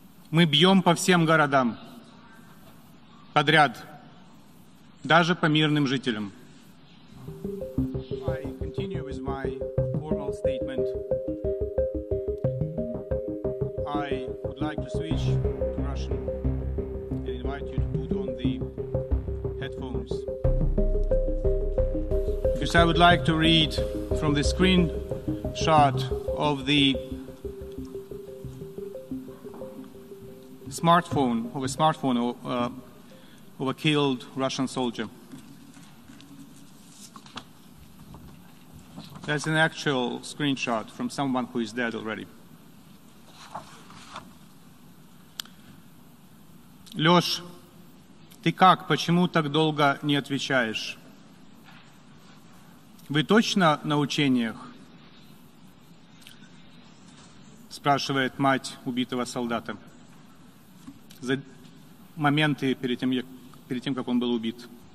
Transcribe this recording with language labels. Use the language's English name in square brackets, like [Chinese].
[Russian] Мы бьем по всем городам подряд, даже по мирным жителям. [English] I continue with my formal statement. I would like to switch to Russian and invite you to put on the headphones. Because I would like to read from the screenshot of the smartphone, of a smartphone of a killed Russian soldier. That's an actual screenshot from someone who is dead already. [Russian] Лёш, ты как, почему так долго не отвечаешь? Вы точно на учениях? Спрашивает мать убитого солдата. За моменты перед тем, как он был убит.